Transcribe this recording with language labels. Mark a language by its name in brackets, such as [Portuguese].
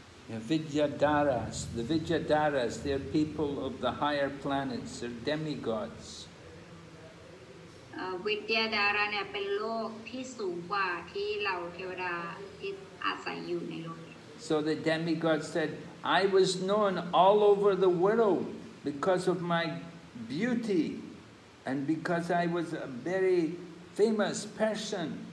[English] Vidyadhara, the Vidyadharas, they are people of the higher planets, they are demigods. [Thai] Vidyadhara เนี่ย เป็น โลก ที่ สูง กว่า ที่ เรา เทวดา ที่ อาศัย อยู่ ใน โลก [English] So the demigod said, I was known all over the world because of my beauty and because I was a very famous person.